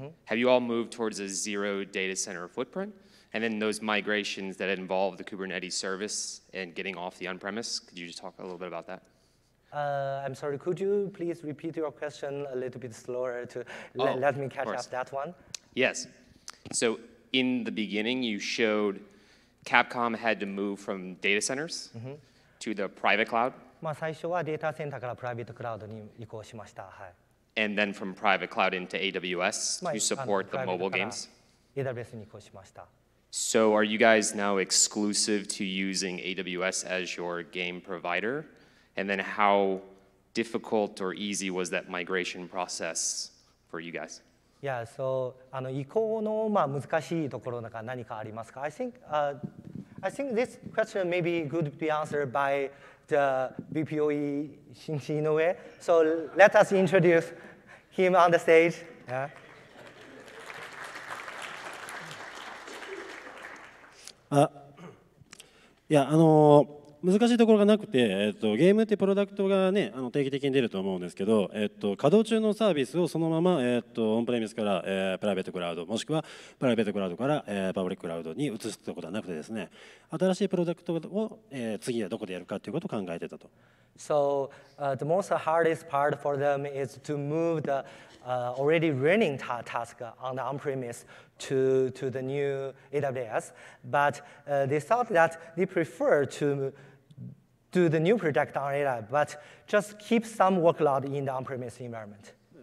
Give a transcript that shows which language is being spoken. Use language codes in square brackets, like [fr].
[en] Have you all moved towards a zero data center footprint? And then those migrations that involve the Kubernetes service and getting off the on-premise, could you just talk a little bit about that? I'm sorry, could you please repeat your question a little bit slower to let me catch up that one? Yes. So in the beginning, you showed CAPCOM had to move from data centers to the private cloud. [ja] まあ最初はデータセンターからプライベートクラウドに移行しました。はい。 [en] And then from private cloud into AWS to support the mobile games. [ja] AWS に移行しました。 [en] So are you guys now exclusive to using AWS as your game provider? And then how difficult or easy was that migration process for you guys? Yeah, so [ja] あの移行のまあ難しいところなんか何かありますか? [en] I think this question maybe could be answered by the BPOE Shinji Inoue. So let us introduce him on the stage. Yeah. [ja] いや難しいところがなくて、ゲームってプロダクトが、ね、定期的に出ると思うんですけど、稼働中のサービスをそのまま、オンプレミスから、プライベートクラウド、もしくはプライベートクラウドから、パブリッククラウドに移すということはなくてですね、新しいプロダクトを、次はどこでやるかということを考えてたと。 [en] So, the most hardest part for them is to move the, already running task on the on-premise to the new AWS. But they thought that they prefer to do the new project on AWS, but just keep some workload in the on-premise environment.